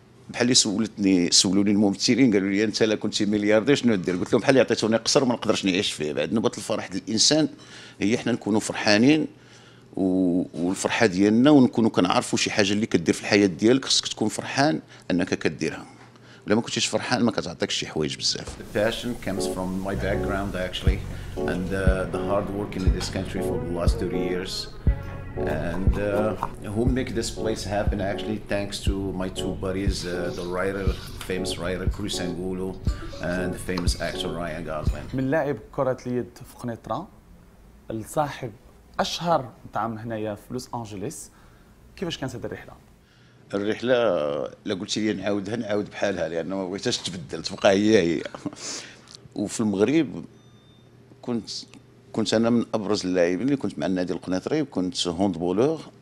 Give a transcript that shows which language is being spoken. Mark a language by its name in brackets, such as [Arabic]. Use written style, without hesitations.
[Arabic] بحال اللي سولوني الممثلين قالوا لي انت لا كنتي ملياردير شنو دير؟ قلت لهم بحال اللي عطيتوني قصر ما نقدرش نعيش فيه. بعد نوبه الفرح ديال الانسان هي حنا نكونوا فرحانين والفرحه ديالنا، ونكونوا كنعرفوا شي حاجه اللي كدير في الحياه ديالك خصك تكون فرحان انك كديرها. ولا ما كنتيش فرحان ما كتعطيكش شي حوايج بزاف. [English] The passion comes from my background actually and the hard work in this country for the last 30 years. And who make this place happen actually thanks to my two buddies, the writer, famous writer Chris Angulo and the famous actor Ryan Gosling. [Arabic] من لاعب كرة اليد في قنيطرة لصاحب أشهر مطعم هنايا في لوس أنجلوس، كيفاش كانت هذه الرحلة؟ الرحلة لا قلت لي نعاودها نعاود بحالها لأنه ما بغيتهاش تبدل تبقى هي هي. وفي المغرب كنت انا من ابرز اللاعبين اللي كنت مع النادي القنيطري، وكنت هوند بولور،